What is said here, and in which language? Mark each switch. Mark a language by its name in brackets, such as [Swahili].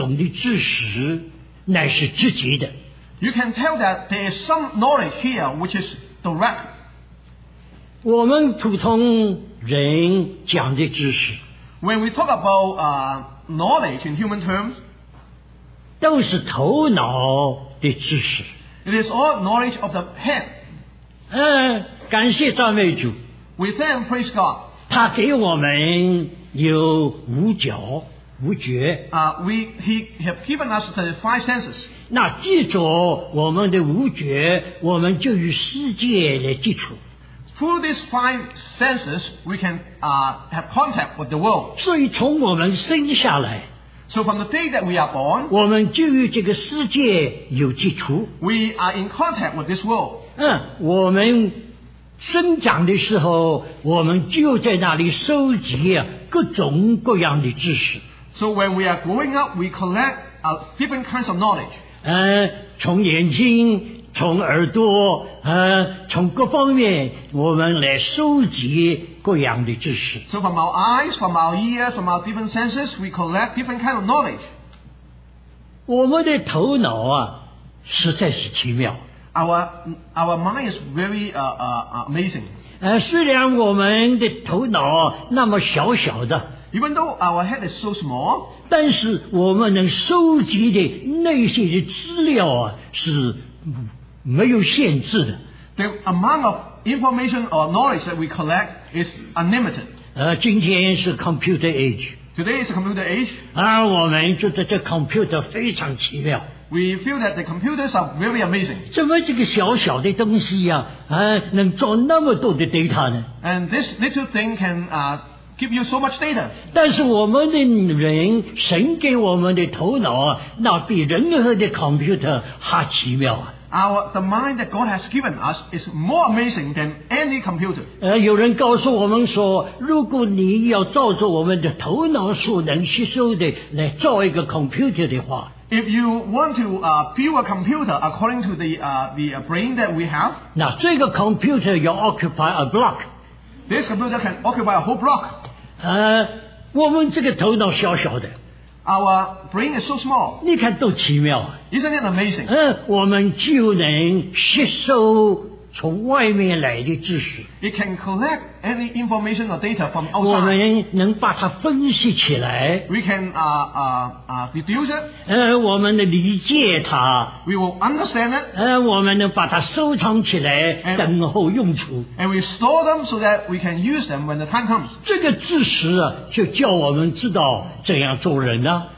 [Chinese] 我想你就能领会到在这里有一种的知识乃是直接的。 [English] You can tell that there is some knowledge here which is direct. [Chinese] 我们普通人讲的知识, [English] When we talk about knowledge in human terms, [Chinese] 都是头脑的知识。 [English] It is all knowledge of the head. [Chinese] 感谢赞美主。 [English] We thank and praise God. [Chinese] 他给我们有五觉。 [English] He have given us the five senses. [Chinese] 那记住我们的五觉, 我们就与世界来接触。 [English] Through these five senses, we can have contact with the world. [Chinese] 所以从我们生下来, [English] So from the day that we are born, [Chinese] 我们就与这个世界有接触。 [English] We are in contact with this world. [Chinese] 我们生长的时候, 我们就在那里收集各种各样的知识。 [English] So when we are growing up, we collect different kinds of knowledge. [Chinese] 从眼睛从耳朵和从各方面我们来收集各样的知识。 [English] So from our eyes, from our ears, from our different senses, we collect different kind of knowledge. [Chinese] 我们的头脑啊实在是奇妙。 [English] Our mind is very amazing. [Chinese] 虽然我们的头脑那么小小的。 [English] Even though our head is so small, [Chinese] 但是我们能收集的那些的资料啊是没有限制的。 [English] The amount of information or knowledge that we collect is unlimited. [Chinese] 今天是 [English] computer age. Today is a computer age. [Chinese] 我们觉得这 computer 非常奇妙。 [English] We feel that the computers are very amazing. [Chinese] 怎么这个小小的东西呀、能装那么多的 data 呢？ [English] And this little thing can give you so much data. [Chinese] 但是我们的人，神给我们的头脑啊，那比任何的 computer 还奇妙啊。 [English] The mind that God has given us is more amazing than any computer. [Chinese] 有人告诉我们说，如果你要照着我们的头脑所能吸收的来造一个 computer 的话。 [English] If you want to build a computer according to the brain that we have. [Chinese] 那这个 [English] computer [Chinese] 要 [English] occupy a block. This computer can occupy a whole block. [Chinese] 我们这个头脑小小的。 [English] Our brain is so small. [Chinese] 你看多奇妙。 [English] Isn't it amazing? [Chinese] 我们就能吸收从外面来的知识。 [English] It can collect any information or data from outside. [Chinese] 我们能把它分析起来。 [English] We can deduce it. [Chinese] 我们能理解它。 [English] We will understand it. [Chinese] 我们能把它收藏起来 [English] and, [Chinese] 等候用处。 [English] And we store them so that we can use them when the time comes. [Chinese] 这个知识啊就叫我们知道怎样做人啊。